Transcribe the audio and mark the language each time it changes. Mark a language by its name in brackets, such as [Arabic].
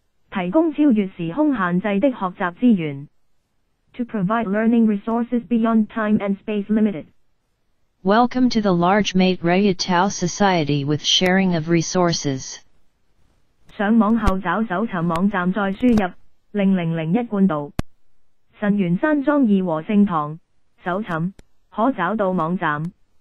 [Chinese] 提供超越时空限制的学习资源 [English] To provide learning resources beyond time and space limited. Welcome to the large Mate Raya Tao Society with sharing of resources. [Chinese] 上网后找搜寻网站再输入 ,0001 贯道。神源山庄义和聖堂搜寻可找到网站。